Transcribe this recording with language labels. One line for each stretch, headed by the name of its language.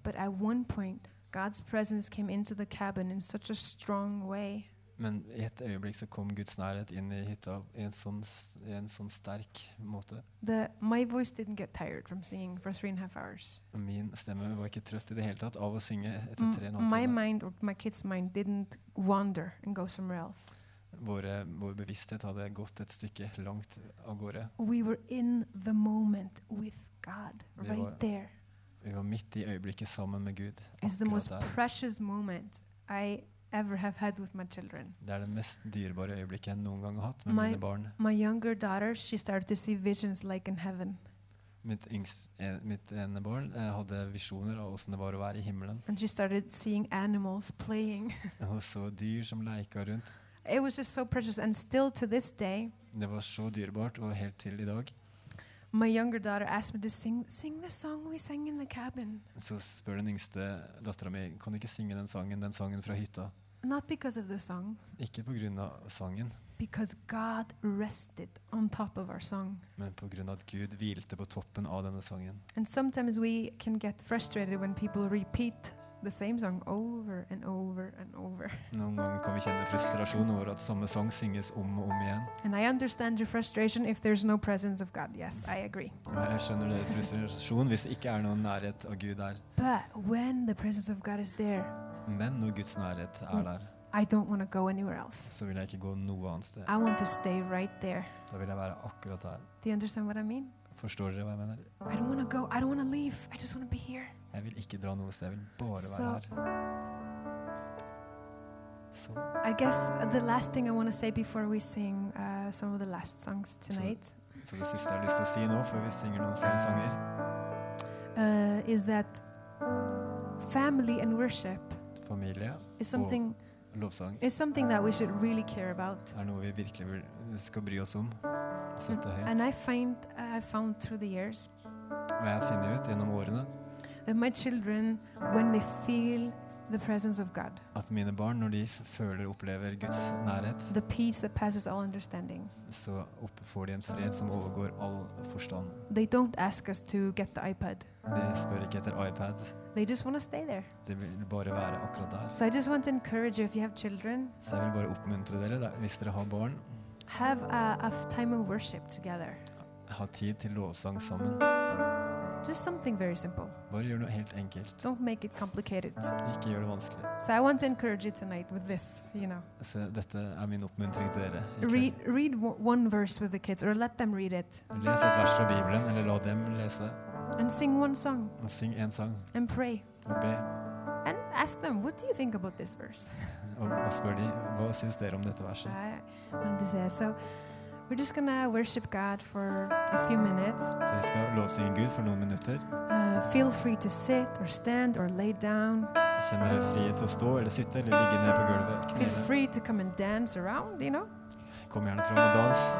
English: But at one point, God's presence came into the cabin in such a strong way.
Norwegian: Men I et øyeblikk så kom Guds nærhet inn I hytta I en sånn sterk måte.
English: My voice didn't get tired from singing for 3.5 hours.
Norwegian: Min stemme var ikke trøtt I det hele tatt av å synge etter 3.5 timer.
English: My mind or my kids' mind didn't wander and go somewhere else.
Norwegian: Vår bevissthet hadde gått et stykke langt av gårde.
English: We were in the moment with God, right there.
Norwegian: Vi var midt I øyeblikket sammen med Gud.
English: It's the most precious moment I ever have had with my children.
Norwegian: Det det mest dyrebare øyeblikket jeg noen gang har hatt med mine barn.
English: My younger daughter, she started to see visions like in heaven.
Norwegian: Mitt ene barn hadde visjoner av hvordan det var å være I himmelen.
English: And she started seeing animals playing.
Norwegian: Og så dyr som leiket rundt.
English: It was just so precious and still to this day.
Norwegian: Det var så dyrebart og helt til I dag.
English: My younger daughter asked me to sing the song we sang in the cabin.
Norwegian: Så spør den yngste datteren min, kan du ikke synge den sangen fra hytta?
English: Not because of the song.
Norwegian: Ikke på grunn av sangen.
English: Because God rested on top of our song.
Norwegian: Men på grunn av at Gud hvilte på toppen av denne sangen.
English: And sometimes we can get frustrated when people repeat the same song over and over and over.
Norwegian: Noen ganger kan vi kjenne frustrasjon over at samme sang synges om og om igjen.
English: And I understand your frustration if there's no presence of God. Yes, I agree.
Norwegian: Jeg skjønner deres frustrasjon hvis det ikke noen nærhet av Gud der.
English: But when the presence of God is there.
Norwegian: Men når Guds nærhet der.
English: I don't want to go anywhere else.
Norwegian: Så vil jeg ikke gå noe annet sted.
English: I want to stay right there.
Norwegian: Da vil jeg være akkurat der.
English: Do you understand what I mean?
Norwegian: Forstår dere hva jeg mener?
English: I don't want to go. I don't want to leave. I just want to be here.
Norwegian: Jeg vil ikke dra noe sted, jeg vil bare være her.
English: So, I guess the last thing I want to say before we sing some of the last songs tonight.
Norwegian: Så det siste jeg har lyst til å si nå før vi synger noen flere sanger.
English: Is that family and worship.
Norwegian: Familie.
English: Is something
Norwegian: og lovsang.
English: Is something that we should really care about.
Norwegian: Er noe vi virkelig skal bry oss om. Sette høyt.
English: And I found through the years.
Norwegian: Og jeg finner ut gjennom årene.
English: And my children, when they feel the presence of God.
Norwegian: At mine barn, når de føler, opplever Guds nærhet.
English: The peace that passes all understanding.
Norwegian: Så får de en fred som overgår all forstand.
English: They don't ask us to get the iPad.
Norwegian: De spør ikke etter iPad.
English: They just want to stay there.
Norwegian: De vil bare være akkurat der.
English: So I just want to encourage you if you have children.
Norwegian: Så jeg vil bare oppmuntre dere, hvis dere har barn.
English: Have a time of worship together.
Norwegian: Ha tid til lovsang sammen.
English: Just something very simple.
Norwegian: Bare gjør noe helt enkelt.
English: Don't make it complicated.
Norwegian: Ikke gjør det vanskelig.
English: So I want to encourage you tonight with this, you know.
Norwegian: Så dette min oppmuntring til dere.
English: Read one verse with the kids or let them read it.
Norwegian: Les et vers fra Bibelen eller la dem lese.
English: And sing one song.
Norwegian: Og syng en sang.
English: And pray.
Norwegian: Og be.
English: And ask them, what do you think about this verse?
Norwegian: Og spør de, hva synes dere om dette verset?
English: I want to say so. We're just gonna worship God for a few minutes.
Norwegian: Vi skal lovsynge Gud for noen minutter.
English: Feel free to sit or stand or lay down.
Norwegian: Kjenn dere fri til å stå eller sitte eller ligge ned på gulvet.
English: Feel free to come and dance around, you know.
Norwegian: Kom gjerne fram og dans.